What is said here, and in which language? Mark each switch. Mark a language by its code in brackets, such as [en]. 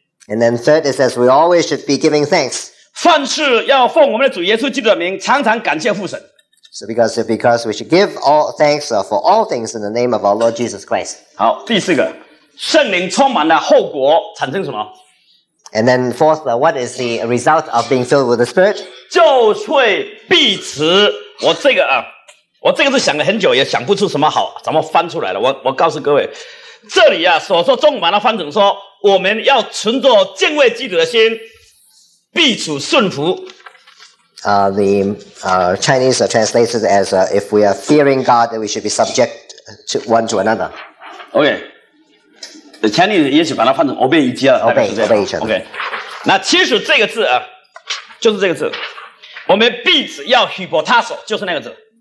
[en] And then third, it says we always should be giving thanks. [zh] 凡事要奉我们的主耶稣基督的名，常常感谢父神。 [en] So because we should give all thanks for all things in the name of our Lord Jesus Christ. [zh] 好，第四个，圣灵充满了后果产生什么？ [en] And then fourth, what is the result of being filled with the Spirit? [zh] 就会彼此，我这个是想了很久，也想不出什么好，怎么翻出来了？我告诉各位，这里啊，所说中文的翻成说，我们要存着敬畏基督的心，彼此顺服。 [en] Chinese translates it as if we are fearing God, then we should be subject to one to another. Okay. [zh] Chinese 也许把它换成 obey 一家了 [en] ，obey each other。 [zh] OK， 那其实这个字啊，就是这个字，我们彼此要 hypotasso， 就是那个字。